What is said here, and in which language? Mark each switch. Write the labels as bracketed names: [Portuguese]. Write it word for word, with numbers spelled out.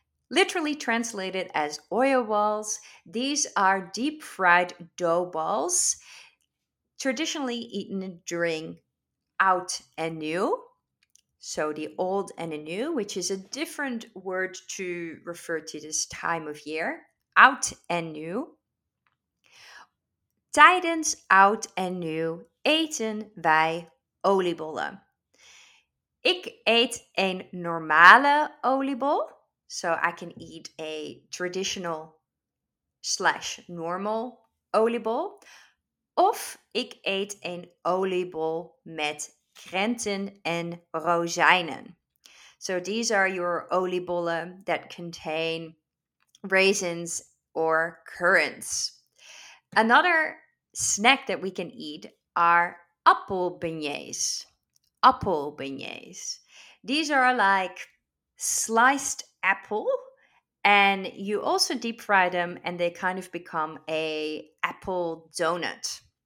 [English] Literally translated as oil balls, these are deep fried dough balls, traditionally eaten during oud en nieuw. So the old and the new, which is a different word to refer to this time of year. [Dutch] Oud en nieuw. Tijdens oud en nieuw eten wij oliebollen. Ik eet een normale oliebol. [English] So I can eat a traditional slash normal oliebol. [Dutch] Of ik eet een oliebol met krenten en rozijnen. [English] So these are your oliebollen that contain raisins or currants. Another snack that we can eat are appel beignets. Appel beignets. These are like sliced apple, and you also deep fry them and they kind of become a apple donut.